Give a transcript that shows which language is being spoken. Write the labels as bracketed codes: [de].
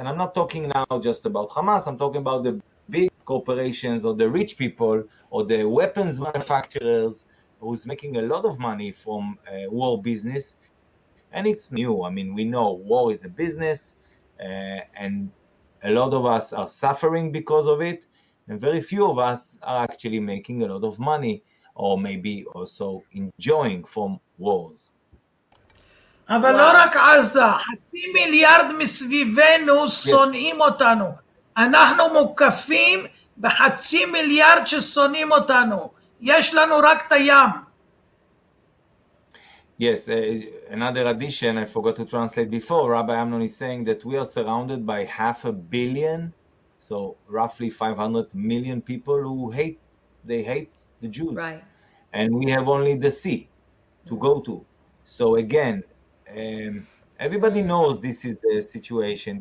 [en] And I'm not talking now just about Hamas, I'm talking about the big corporations or the rich people or the weapons manufacturers who's making a lot of money from war business. And it's new, I mean, we know war is a business and a lot of us are suffering because of it, and very few of us are actually making a lot of money or maybe also enjoying from wars. [he] אבל לא רק עזה, חצי מיליארד מסביבנו שונאים אותנו. אנחנו מוקפים בחצי מיליארד ששונאים אותנו. יש לנו רק את הים. [en] Yes, another addition I forgot to translate before, Rabbi Amnon is saying that we are surrounded by half a billion, so roughly 500 million people who hate, they hate the Jews. Right. And we have only the sea to go to. So again, everybody knows this is the situation.